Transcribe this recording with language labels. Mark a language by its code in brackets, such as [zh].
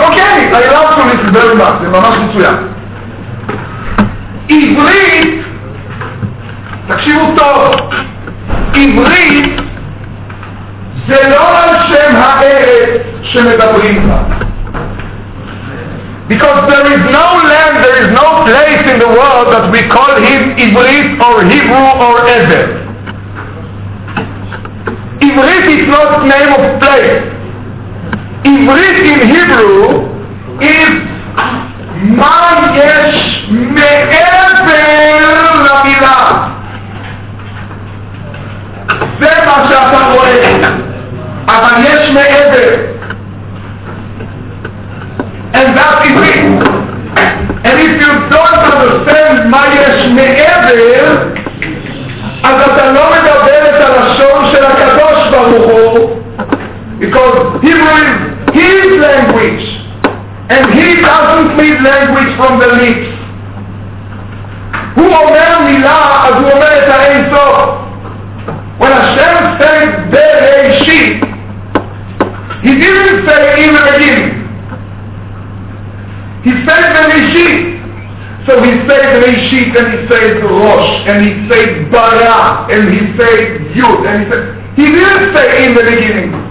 [he] אוקיי, היום איסטורים זה ברור מה, זה ממש מצוין. עברית, תקשיבו טוב, עברית זה לא על שם הארץ שמדברים בה. [en] Because there is no land, there is no place in the world that we call him Ivrit or Hebrew or Ever. Ivrit is not name of place. Ivrit in Hebrew is [he] Ma Yesh Me'ever Lamila. Ze Ma Shata Roeh. Ava Yesh Me'ever. [en] And that is it. And if you don't understand [he] מה יש מעבר, אז אתה לא מדבר את הלשון של הקדוש ברוך הוא, [en] because Hebrew is his language and he doesn't need language from the lips. [he] הוא אומר מילה, אז הוא אומר את האין סוף. [en] When Hashem said בראשית, he didn't say in the beginning. He says Bereshit. So he says Bereshit and he says Rosh and he says Bara and he says Yud and he says... He didn't say in the beginning.